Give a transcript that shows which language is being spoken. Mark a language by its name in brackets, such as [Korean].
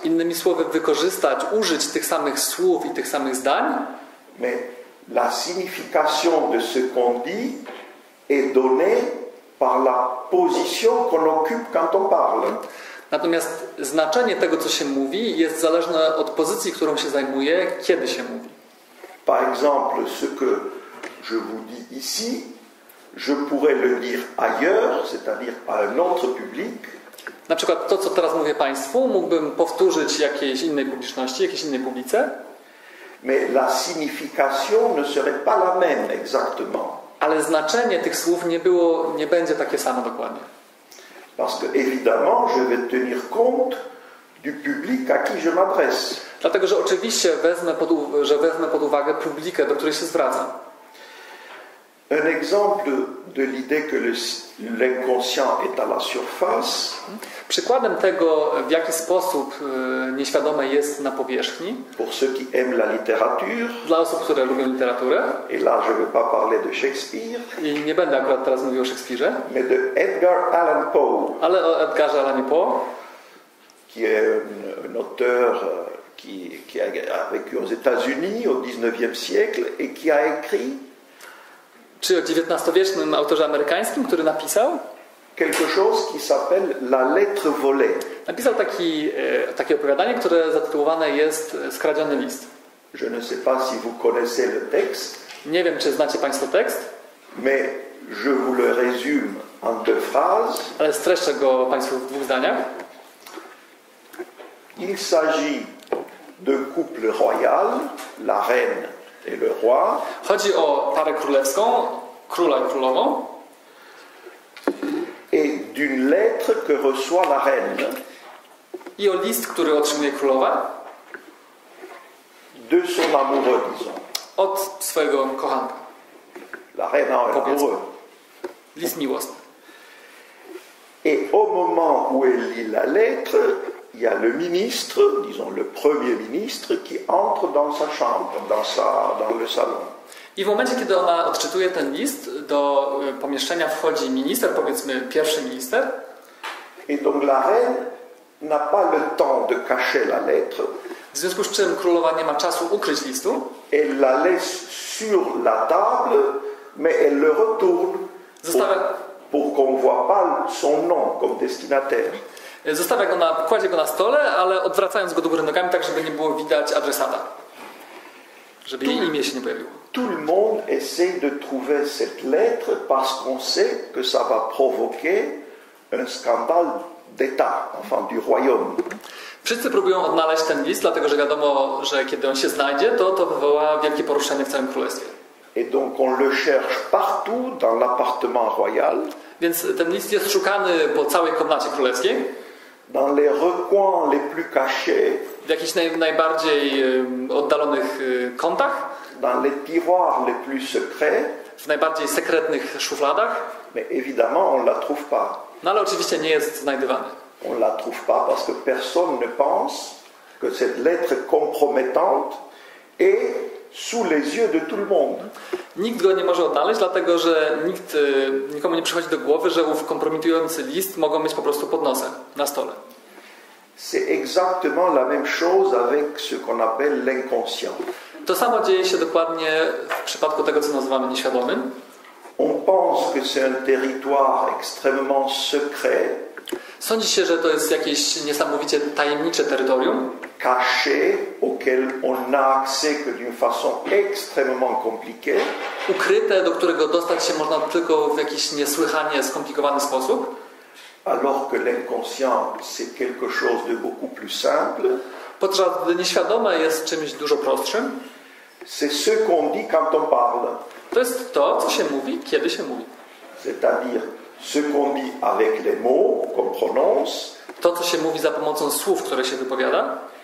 [Polish] Innymi słowy, wykorzystać, użyć tych samych słów i tych samych zdań. [French] Mais la signification de ce qu'on dit est donnée par la position qu'on occupe quand on parle. [Polish] Natomiast znaczenie tego, co się mówi, jest zależne od pozycji, którą się zajmuje, kiedy się mówi. [French] Par exemple, ce que je vous dis ici, je pourrais le dire ailleurs, c'est-à-dire à un autre public. [Polish] Na przykład to, co teraz mówię Państwu, mógłbym powtórzyć jakiejś innej publiczności, jakiejś innej publice. [French] Mais la signification ne serait pas la même exactement. [Polish] Ale znaczenie tych słów nie było, nie będzie takie samo dokładnie. [French] Parce que évidemment, je vais tenir compte du public à qui je m'adresse. [Polish] Dlatego, że oczywiście wezmę pod uwagę publikę, do której się zwracam. [French] Un exemple de l'idée que l'inconscient est à la surface. [Polish] Przykładem tego, w jaki sposób nieświadome jest na powierzchni. [French] Pour ceux qui aiment la littérature. [Polish] Dla osób, które lubią literaturę. [French] Et là, je ne vais pas parler de Shakespeare. [Polish] I nie będę akurat teraz mówił o Szekspirze. [French] Mais de Edgar Allan Poe. [Polish] Ale o Edgarze Allan Poe. [French] Qui est un auteur qui a vécu aux États-Unis au 19e siècle et qui a écrit. [Polish] Czy o XIX-wiecznym autorze amerykańskim, który napisał? [French] Quelque chose qui s'appelle La lettre volée. [Polish] Napisał takie opowiadanie, które zatytułowane jest Skradziony list. [French] Je ne sais pas si vous connaissez le texte. [Polish] Nie wiem, czy znacie państwo tekst. [French] Mais je vous le résume en deux phrases. [Polish] Ale streszczę go państwu w dwóch zdaniach. [French] Il s'agit de couple royal, la reine et le roi. [Polish] Chodzi o parę królewską, króla i królową. [French] Et d'une lettre que reçoit la reine. [Polish] I o list, który otrzymuje królowa. [French] De son amoureux, disons. [Polish] Od swojego kochanka. [French] La reine a un amoureux. [Polish] List miłosny. [French] Et au moment où elle lit la lettre, il y a le ministre, disons le premier ministre, qui entre dans sa chambre, dans le salon. [Polish] I w momencie, kiedy ona odczytuje ten list, do pomieszczenia wchodzi minister, powiedzmy pierwszy minister. [French] Et donc la reine n'a pas le temps de cacher la lettre. [Polish] W związku z czym królowa nie ma czasu ukryć listu. [French] Elle la laisse sur la table, mais elle le retourne pour qu'on voit pas son nom comme destinataire. [Polish] Zostawia go na, kładzie go na stole, ale odwracając go do góry nogami, tak żeby nie było widać adresata. Żeby jej imię się nie pojawiło. [French] Tout le monde essaie de trouver cette lettre parce qu'on sait que ça va provoquer un scandale d'état, enfin du royaume. [Polish] Wszyscy próbują odnaleźć ten list, dlatego że wiadomo, że kiedy on się znajdzie, to wywoła wielkie poruszenie w całym królestwie. [French] Et donc on le cherche partout dans l'appartement royal. [Polish] Więc ten list jest szukany po całej komnacie królewskiej. [French] Dans les recoins les plus cachés. [Polish] W jakichś najbardziej oddalonych kątach. [French] Dans les tiroirs les plus secrets. [Polish] W najbardziej sekretnych szufladach. [French] Mais évidemment, on la trouve pas. [Polish] No, ale oczywiście nie jest znajdywany. [French] On la trouve pas parce que personne ne pense que cette lettre compromettante est sous les yeux de tout le monde. [Polish] Nikt go nie może odnaleźć, dlatego że nikomu nie przychodzi do głowy, że ów kompromitujący list mogą mieć po prostu pod nosem, na stole. [French] C'est exactement la même chose avec ce qu'on appelle l'inconscient. [Polish] To samo dzieje się dokładnie w przypadku tego, co nazywamy nieświadomym. [French] On pense que c'est un territoire extrêmement secret. [Polish] Sądzi się, że to jest jakieś niesamowicie tajemnicze terytorium. [French] Caché, auquel on a accès que d'une façon extrêmement compliquée. [Polish] Ukryte, do którego dostać się można tylko w jakiś niesłychanie skomplikowany sposób. [French] Alors que l'inconscient, c'est quelque chose de beaucoup plus simple. [Polish] Podczas gdy nieświadome jest czymś dużo prostszym. [French] C'est ce qu'on dit quand on parle. [Polish] To jest to, co się mówi, kiedy się mówi. [French] C'est-à-dire ce qu'on dit avec les mots qu'on prononce. [Polish] To, co się mówi za pomocą słów, które się wypowiada.